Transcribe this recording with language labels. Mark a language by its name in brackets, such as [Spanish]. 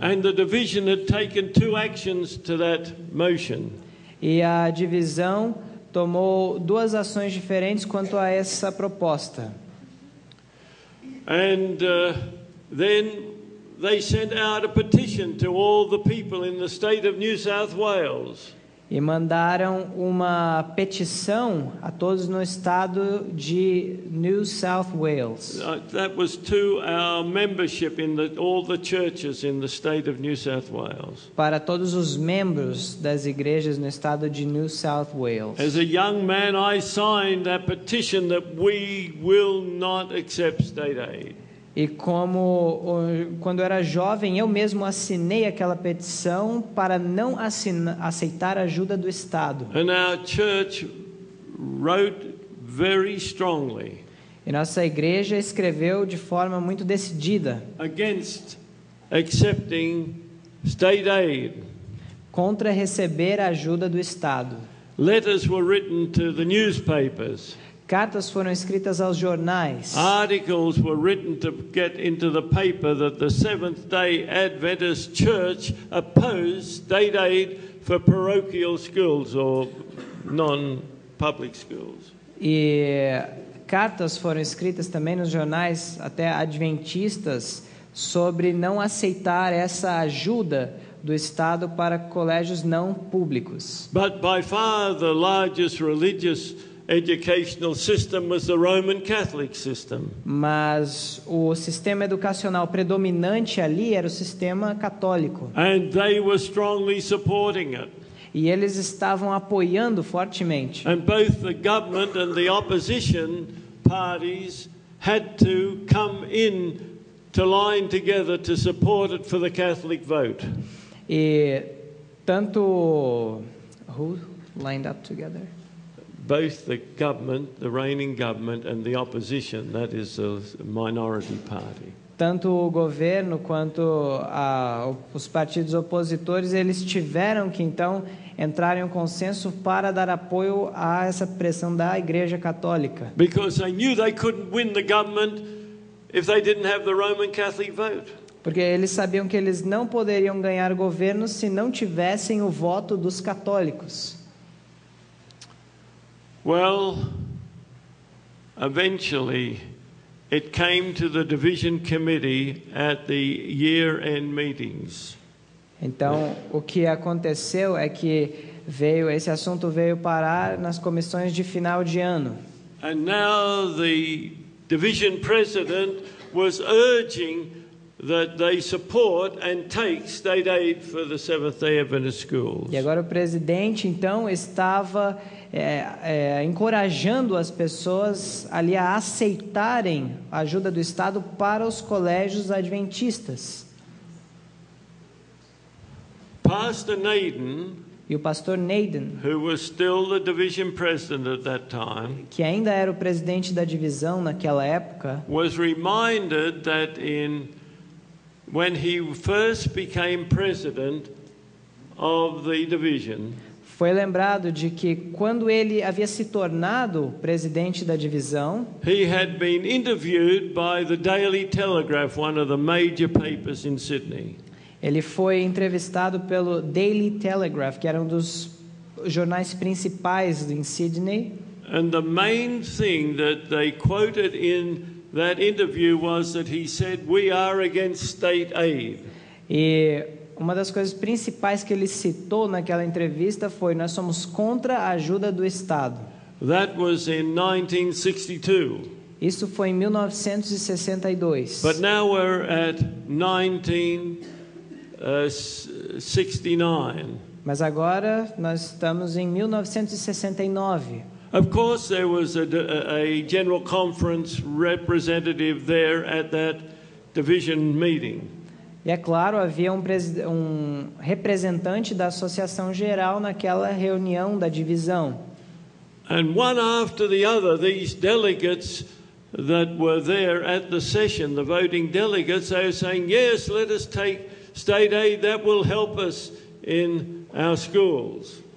[English] And the division had taken two actions to that motion. [Portuguese] E a divisão tomou duas ações diferentes quanto a essa proposta. [English] And then they sent out a petition to all the people in the state of New South Wales. [Portuguese] E mandaram uma petição a todos no estado de New South Wales. [English] That was to our membership in the, all the churches in the state of New South Wales. [Portuguese] Para todos os membros das igrejas no estado de New South Wales. [English] As a young man, I signed that petition that we will not accept state aid. [Portuguese] E como quando era jovem, eu mesmo assinei aquela petição para não aceitar ajuda do Estado. [English] And our church wrote very strongly. [Portuguese] E nossa igreja escreveu de forma muito decidida. [English] Against accepting state aid. [Portuguese] Contra receber ajuda do Estado. [English] Letters were written to the newspapers. [Portuguese] Cartas foram escritas aos jornais. [English] Articles were written to get into the paper that the Seventh-day Adventist Church opposed state aid for parochial schools or non-public schools. [Portuguese] E cartas foram escritas também nos jornais até adventistas sobre não aceitar essa ajuda do Estado para colégios não públicos. [English] But by far the largest religious educational system was the Roman Catholic system. [Portuguese] Mas o sistema educacional predominante ali era o sistema católico. [English] And they were strongly supporting it. [Portuguese] E eles estavam apoiando fortemente. [English] And both the government and the opposition parties had to come in to line together to support it for the Catholic vote. [Portuguese] E tanto [English] who lined up together? Both the government, the reigning government, and the opposition, that is the minority party. [Portuguese] Tanto o governo quanto os partidos opositores, eles tiveram que então entrar em um consenso para dar apoio a essa pressão da Igreja Católica. [English] Because they knew they couldn't win the government if they didn't have the Roman Catholic vote. [Portuguese] Porque eles sabiam que eles não poderiam ganhar governo se não tivessem o voto dos católicos. [English] Well, eventually it came to the division committee at the year-end meetings. [Portuguese] Então, o que aconteceu é que esse assunto veio parar nas comissões de final de ano. [English] And now the division president was urging that they support and take state aid for the Seventh-day Adventist schools. [Portuguese] E agora o presidente então estava encorajando as pessoas ali a aceitarem a ajuda do Estado para os colégios adventistas. [English] Pastor Naden, [Portuguese] e o pastor Naden, [English] who was still the division president at that time, [Portuguese] que ainda era o presidente da divisão naquela época, [English] was reminded that in when he first became president of the division, [Portuguese] foi lembrado de que quando ele havia se tornado presidente da divisão, [English] he had been interviewed by the Daily Telegraph, one of the major papers in Sydney. [Portuguese] Ele foi entrevistado pelo Daily Telegraph, que era um dos jornais principais em Sydney. [English] And the main thing that they quoted in that interview was that he said, "We are against state aid." [Portuguese] E uma das coisas principais que ele citou naquela entrevista foi: "Nós somos contra a ajuda do Estado." [English] That was in 1962. [Portuguese] Isso foi em 1962. [English] But now we're at 1969. [Portuguese] Mas agora nós estamos em 1969. [English] Of course, there was a general conference representative there at that division meeting. [Portuguese] E é claro, havia um representante da Associação Geral naquela reunião da divisão. [English] And one after the other, these delegates that were there at the session, the voting delegates, they were saying, "Yes, let us take state aid, that will help us in our schools."